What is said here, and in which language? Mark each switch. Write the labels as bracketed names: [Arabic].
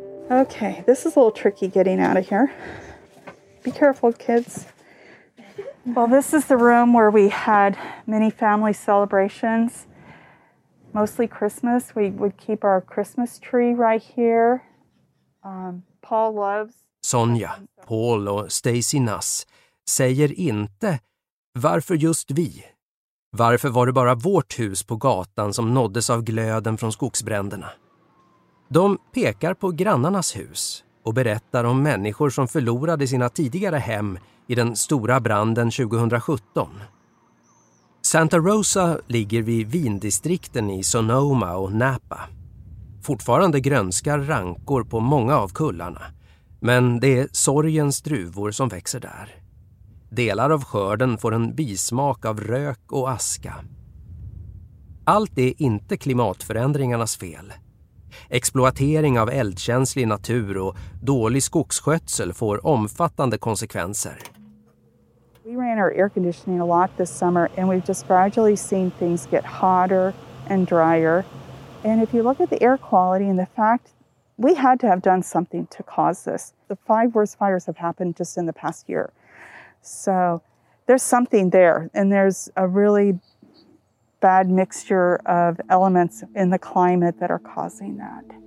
[English] Okay, this is a little tricky getting out of here. Be careful, kids. Well, this is the room where we had many family celebrations, mostly Christmas. We would keep our Christmas tree right here. Paul loves... [Swedish] Sonja, Paul och Stacy Nass säger inte varför just vi. Varför var det bara vårt hus på gatan som nåddes av glöden från skogsbränderna? De pekar på grannarnas hus och berättar om människor som förlorade sina tidigare hem i den stora branden 2017. Santa Rosa ligger vid vindistrikten i Sonoma och Napa. Fortfarande grönskar rankor på många av kullarna, men det är sorgens druvor som växer där. Delar av skörden får en bismak av rök och aska. Allt är inte klimatförändringarnas fel. Exploatering av eldkänslig natur och dålig skogsskötsel får omfattande konsekvenser. [English] We ran our air conditioning a lot this summer and we've just gradually seen things get hotter and drier. And if you look at the air quality and the fact we had to have done something to cause this. The five worst fires have happened just in the past year. So there's something there and there's a really bad mixture of elements in the climate that are causing that.